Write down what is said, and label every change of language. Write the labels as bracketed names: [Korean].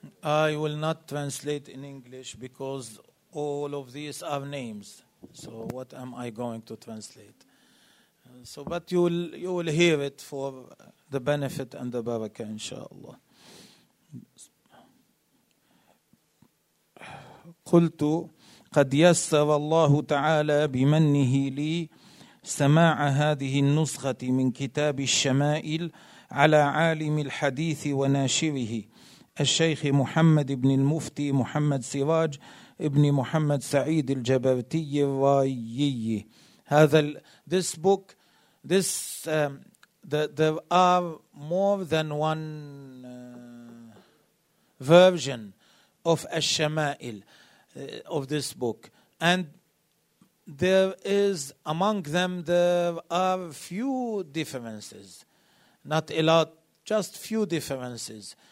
[English] I will not translate in English because all of these are names. So what am I going to translate? So, but you will hear it for the benefit and the barakah, inshallah. [Arabic] قلت قد يسر الله تعالى بمنه لي سماع هذه النسخة من كتاب الشمائل على عالم الحديث وناشره الشيخ محمد بن المفتي محمد سراج ابن محمد سعيد الجبرتي الرايي. [English] This book, there are more than one version of الشمائل of this book, and there is among them there are few differences, not a lot, just few differences.